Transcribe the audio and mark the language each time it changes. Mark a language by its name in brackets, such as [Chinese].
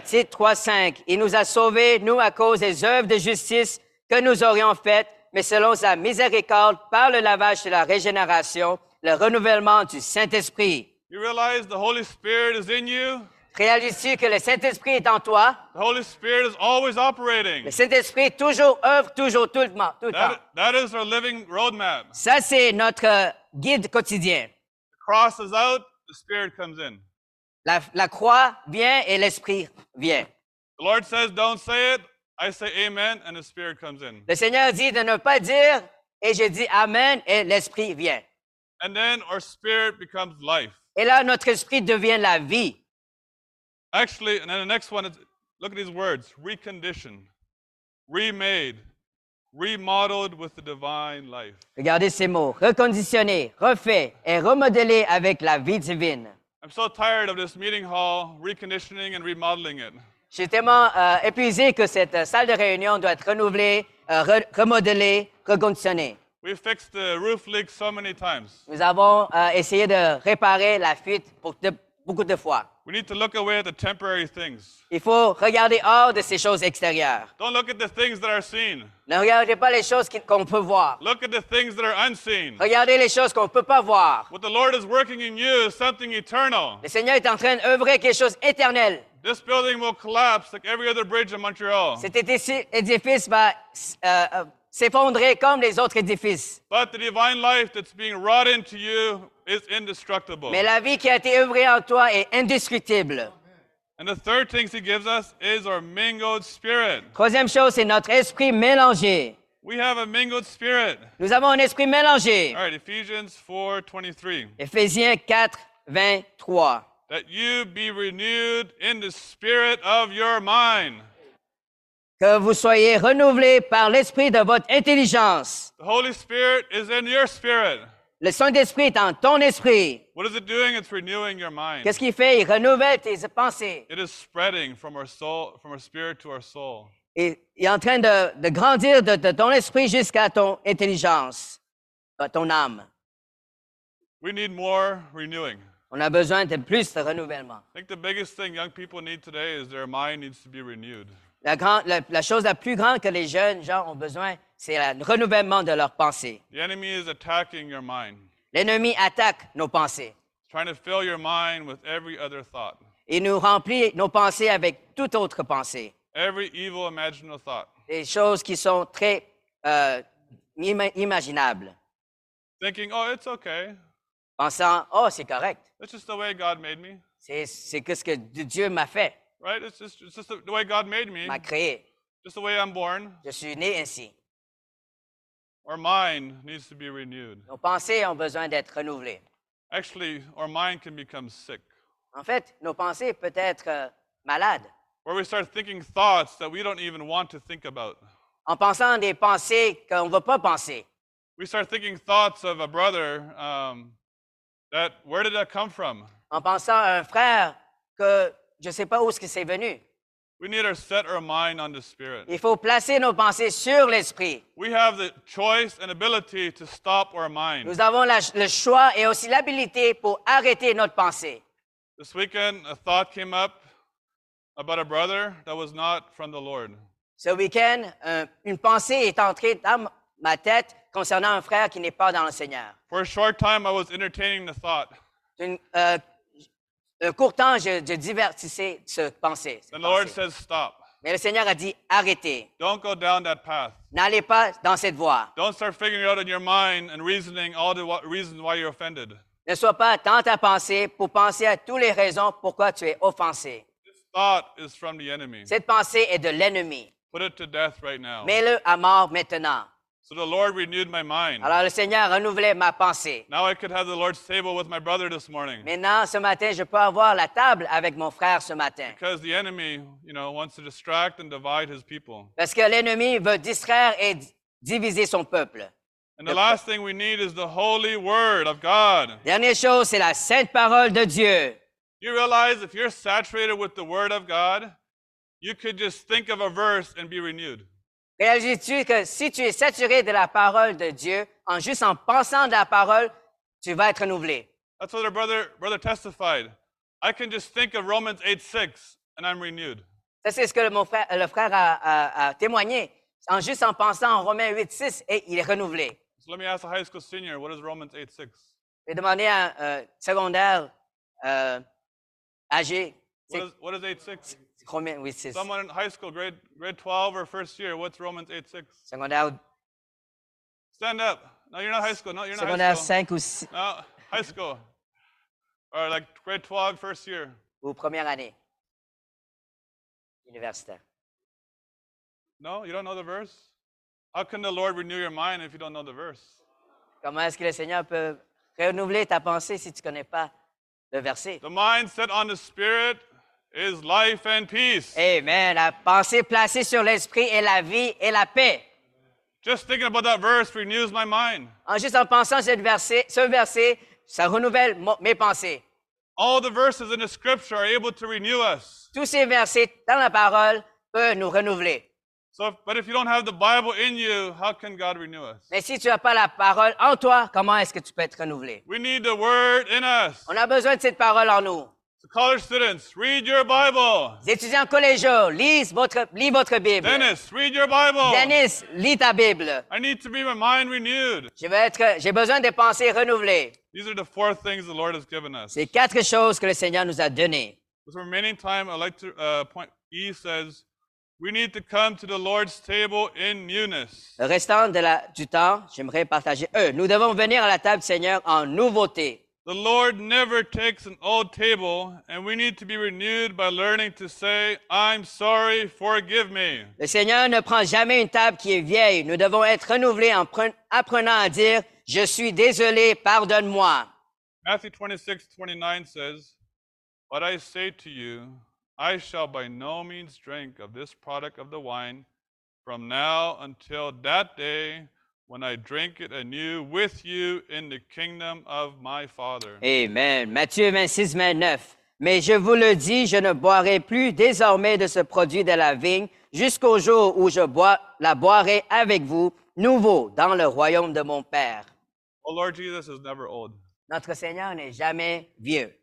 [French] Titus 3:5, il nous a sauvés, nous, à cause des œuvres de justice que nous aurions faites, mais selon sa miséricorde, par le lavage de la régénération, le renouvellement du Saint-Esprit. [English] You realize the Holy Spirit is in you? [French] Réalises-tu que le Saint-Esprit est en toi? [English] The Holy Spirit is always operating. [French] Le Saint-Esprit toujours œuvre, toujours, tout le temps. [English] That is our living roadmap. [French] Ça, c'est notre guide quotidien. [English] The cross is out, the Spirit comes in. [French] La croix vient et l'Esprit vient. [English] The Lord says, don't say it. I say amen and the Spirit comes in. [French] Le Seigneur dit de ne pas dire et je dis amen et l'Esprit vient. [English] And then our spirit becomes life. [French] Et là notre esprit devient la vie. [English] Actually, and then the next one is, look at these words, reconditioned, remade, remodeled with the divine life. [French] Regardez ces mots, reconditionné, refait et remodelé avec la vie divine. [English] I'm so tired of this meeting hall reconditioning and remodeling it. [French] Je suis tellement épuisé que cette salle de réunion doit être renouvelée, remodelée, reconditionnée. [English] We fixed the roof leak so many times. [French] Nous avons essayé de réparer la fuite beaucoup de fois. [English] We need to look away at the temporary things. [French] Il faut regarder hors de ces choses extérieures. [English] Don't look at the things that are seen. [French] Ne regardez pas les choses qu'on peut voir. [English] Look at the things that are unseen. [French] Regardez les choses qu'on ne peut pas voir. [English] What the Lord is working in you is something eternal. [French] Le Seigneur est en train d'œuvrer quelque chose éternel. [English] This building will collapse like every other bridge in Montreal. [French] Cet édifice va s'effondrer comme les autres édifices. [English] But the divine life that's being wrought into you is indestructible. [French] Mais la vie qui a été œuvrée en toi est indestructible. [English] And the third thing he gives us is our mingled spirit. [French] Troisième chose, c'est notre esprit mélangé. [English] We have a mingled spirit. [French] Nous avons un esprit mélangé. [English] All right, Ephesians 4:23. [French] Éphésiens 4, 23. [English] That you be renewed in the spirit of your mind. [French] Que vous soyez renouvelés par l'esprit de votre intelligence. [English] The Holy Spirit is in your spirit. [French] Le Saint-Esprit est en ton esprit. [English] What is it doing? It's renewing your mind. [French] Qu'est-ce qu'il fait? Il renouvelle tes pensées. [English] It is spreading from our soul, from our spirit to our soul. [French] Et il est en train de grandir de ton esprit jusqu'à ton intelligence, à ton âme. [English] We need more renewing. [French] On a besoin de plus de renouvellement. [English] I think the biggest thing young people need today is their mind needs to be renewed. [French] La chose la plus grande que les jeunes gens ont besoin, c'est le renouvellement de leurs pensées. [English] The enemy is attacking your mind. [French] L'ennemi attaque nos pensées. [English] Trying to fill your mind with every other thought. [French] Il nous remplit nos pensées avec toute autre pensée. [English] Every evil imaginable thought. [French] Des choses qui sont très imaginables. [English] Thinking, oh, it's okay. [French] Pensant, oh, c'est correct. [English] It's just the way God made me. [French] C'est ce que Dieu m'a fait. [English] Right? It's just the way God made me. [French] M'a créé. [English] Just the way I'm born. [French] Je suis né ainsi. [English] Our mind needs to be renewed. [French] Nos pensées ont besoin d'être renouvelées. [English] Actually, our mind can become sick. [French] En fait, nos pensées peuvent être malades. [English] Where we start thinking thoughts that we don't even want to think about. [French] En pensant des pensées qu'on ne veut pas penser. [English] We start thinking thoughts of a brother. That, where did that come from? [French] En pensant à un frère que je ne sais pas où est-ce que c'est venu. [English] We need to set our mind on the Spirit. [French] Il faut placer nos pensées sur l'Esprit. [English] We have the choice and ability to stop our mind. [French] Nous avons le choix et aussi l'habilité pour arrêter notre pensée. [English] This weekend, a thought came up about a brother that was not from the Lord. [French] Ce week-end, une pensée est entrée dans ma tête concernant un frère qui n'est pas dans le Seigneur. [English] For a short time, I was entertaining the thought. [French] Un court temps, je divertissais ce pensée. [English] The Lord says stop. [French] Mais le Seigneur a dit arrêtez. [English] Don't go down that path. [French] N'allez pas dans cette voie. [English] Don't start figuring out in your mind and reasoning all the reasons why you're offended. [French] Ne sois pas dans ta pensée pour penser à toutes les raisons pourquoi tu es offensé. [English] This thought is from the enemy. [French] Cette pensée est de l'ennemi. [English] Put it to death right now. [French] Mets-le à mort maintenant. [English] So the Lord renewed my mind. [French] Alors le Seigneur renouvelait ma pensée. [English] Now I could have the Lord's table with my brother this morning. [French] Maintenant, ce matin, je peux avoir la table avec mon frère ce matin. [English] Because the enemy, you know, wants to distract and divide his people. [French] Parce que l'ennemi veut distraire et diviser son peuple. [English] And the last thing we need is the holy word of God. [French] Dernière chose, c'est la sainte parole de Dieu. [English] You realize if you're saturated with the word of God, you could just think of a verse and be renewed. [French] Réalises-tu que si tu es saturé de la parole de Dieu, en juste en pensant de la parole, tu vas être renouvelé. [English] That's what our brother testified. I can just think of Romans 8:6 and I'm renewed. [French] Ça, c'est ce que le frère a témoigné. En juste en pensant en Romains 8, 6, et il est renouvelé. [English] So let me ask a high school senior, what is Romans 8, 6? [French] Je vais demander à un secondaire âgé. [English] What is 8, 6? [French] Romains 8, 6. [English] Someone in high school, grade 12 or first year, what's Romans 8, 6? [French] Secondaire. [English] Stand up. No, you're not high school. No, you're not [French] secondaire [English] high school. [French] Secondaire 5 ou 6. [English] No, high school. Or like grade 12, first year. [French] Ou première année. Universitaire. [English] No, you don't know the verse? How can the Lord renew your mind if you don't know the verse? [French] Comment est-ce que le Seigneur peut renouveler ta pensée si tu ne connais pas le verset? [English] The mind set on the Spirit is life and peace. Amen. [French] La pensée placée sur l'Esprit est la vie et la paix. [English] Just thinking about that verse renews my mind. [French] En juste en pensant à ce verset, ça renouvelle mes pensées. [English] All the verses in the Scripture are able to renew us. [French] Tous ces versets dans la parole peuvent nous renouveler. [English] But if you don't have the Bible in you, how can God renew us? [French] Mais si tu n'as pas la parole en toi, comment est-ce que tu peux être renouvelé? [English] We need the word in us. [French] On a besoin de cette parole en nous. [English] So college students, read your Bible. [French] Les étudiants collégiaux, lis votre Bible. [English] Dennis, read your Bible. [French] Dennis, lis ta Bible. [English] I need to be my mind renewed. [French] J'ai besoin de pensées renouvelées. [English] These are the four things the Lord has given us. [French] C'est quatre choses que le Seigneur nous a données. [English] With remaining time, I'd like to point E says, we need to come to the Lord's table in newness. [French] Le restant du temps, j'aimerais partager eux. Nous devons venir à la table du Seigneur en nouveauté. [English] The Lord never takes an old table, and we need to be renewed by learning to say, I'm sorry, forgive me. [French] Le Seigneur ne prend jamais une table qui est vieille. Nous devons être renouvelés en apprenant à dire, je suis désolé, pardonne-moi. [English] Matthew 26:29 says, but I say to you, I shall by no means drink of this product of the wine from now until that day when I drink it anew with you in the kingdom of my Father. [French] Amen. Matthieu 26:29. Mais je vous le dis, je ne boirai plus désormais de ce produit de la vigne jusqu'au jour où je la boirai avec vous, nouveau, dans le royaume de mon Père. [English] Oh Lord Jesus is never old. [French] Notre Seigneur n'est jamais vieux.